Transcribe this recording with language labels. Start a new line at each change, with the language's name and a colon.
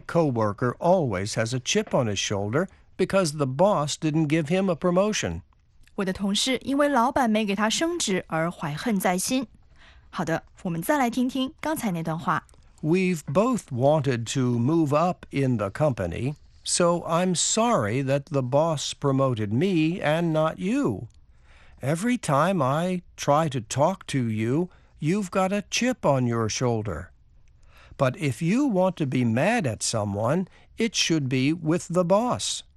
English: coworker always has a chip on his shoulder because the boss didn't give him a promotion.
Chinese: 我的同事因为老板没给他升职而怀恨在心。好的，我们再来听听刚才那段话。We've
English: both wanted to move up in the company. So I'm sorry that the boss promoted me and not you. Every time I try to talk to you, you've got a chip on your shoulder. But if you want to be mad at someone, it should be with the boss.